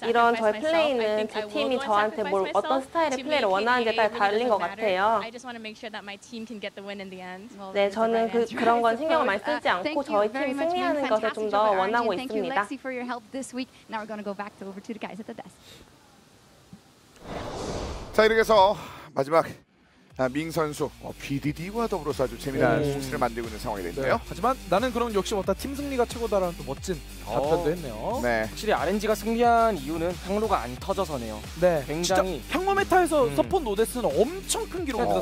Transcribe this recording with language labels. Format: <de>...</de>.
<ko>이런 저의 플레이는 그 팀이 저한테 뭘 어떤 스타일의 플레이를 원하는지에 따라 다른 것 같아요.</ko> <en>I just want to make sure that my team can get the win in the end. Well,</en> <ko>네, 저는 그 그런 건 신경을 많이 쓰지 않고 저희 팀 승리하는 것에 좀 더 원하고 있습니다.</ko> <en>Thank you, Lexi, for your help this week. Now we're going to go back to over to the guys at the desk.</en> <ko>자, 이렇게 해서 마지막 아, 밍 선수, PDD와 더불어서 아주 재미난 수치를 만들고 있는 상황이 됐네요. 네. 하지만 나는 그럼 역시 뭐다 팀 승리가 최고다라는 또 멋진 답변도 했네요. 네. 확실히 RNG가 승리한 이유는 향로가 안 터져서네요. 네. 굉장히 향로 메타에서 서폰 노데스는 엄청 큰 기록입니다.</ko>